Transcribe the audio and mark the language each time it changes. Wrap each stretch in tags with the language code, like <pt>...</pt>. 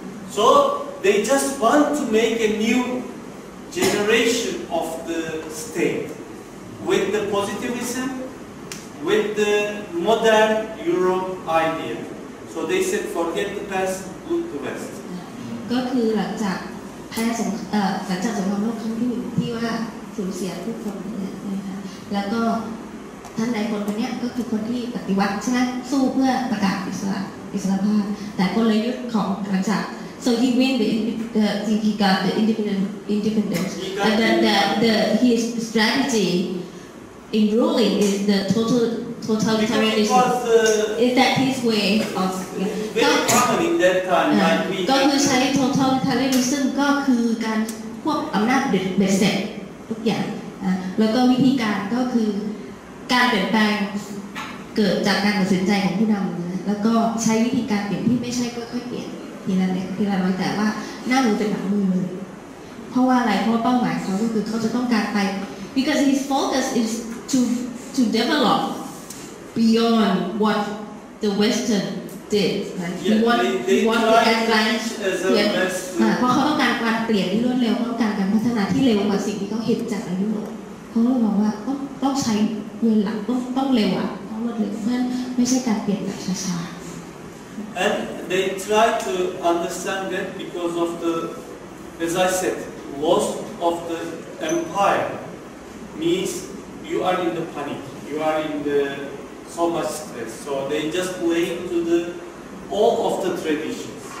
<en>So,They just want to make a new generation of the state with the positivism, with the modern Europe idea. So they said, forget the past, look to west.</en> <th>ก็คือหลังจากแพ้สงครามหลังจากสงครามโลกครั้งที่หนึ่งที่ว่าสูญเสียผู้คนเนี่ยนะคะแล้วก็ท่านใดคนคนนี้ก็คือคนที่ปฏิวัติใช่ไหมสู้เพื่อประกาศอิสระภาพแต่กลยุทธ์ของหลังจาก</th> <en>So he win he got the independence. And then his strategy in ruling is the totalitarianism. Because it was the... Is that his way of... Very common in that time, like</en> <th>we... ก็คือใช้ totalitarianism ก็คือการควบอำนาจเด็ดเสร็จทุกอย่างแล้วก็วิธีการก็คือการเปลี่ยนแปลงเกิดจากการตัดสินใจของผู้นำแล้วก็ใช้วิธีการเปลี่ยนที่ไม่ใช่ก็ค่อยเปลี่ยนทีละน้อยแต่ว่าหน้ามือเป็นหลังมือเพราะว่าอะไรเพราะเป้าหมายเขาก็คือเขาจะต้องการไป</th> <en>because his focus is to develop beyond what the Western did right he wants to advance</en> <th>เพราะเขาต้องการการเปลี่ยนที่รวดเร็วต้องการการพัฒนาที่เร็วกว่าสิ่งที่เขาเห็นจากในยุโรปเขาเลยบอกว่าต้องใช้เงินหลักต้องเร็วอ่ะต้องรวดเร็วเพราะไม่ใช่การเปลี่ยนแบบช้า</th> <en>And they try to understand that because of the, as I said, loss of the empire means you are in the panic, you are in the so much stress. So they just play into the all of the traditions.</en>